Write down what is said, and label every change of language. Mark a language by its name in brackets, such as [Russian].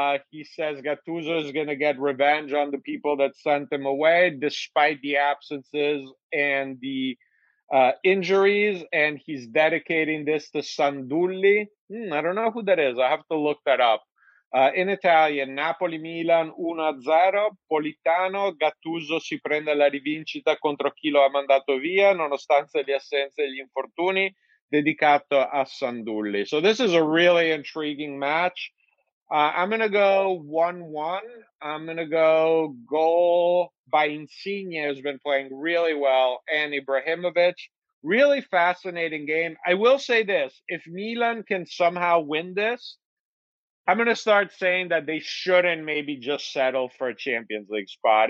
[English] He says Gattuso is going to get revenge on the people that sent him away despite the absences and the injuries, and he's dedicating this to Sandulli. I don't know who that is. I have to look that up. In Italian, Napoli-Milan 1-0. [Italian] Politano, Gattuso si prende la rivincita contro chi lo ha mandato via nonostante le assenze e gli infortuni, dedicato a Sandulli. [English] So this is a really intriguing match. I'm going to go 1-1. I'm going to go goal by Insigne, who's been playing really well, and Ibrahimovic. Really fascinating game. I will say this. If Milan can somehow win this, I'm going to start saying that they shouldn't maybe just settle for a Champions League spot.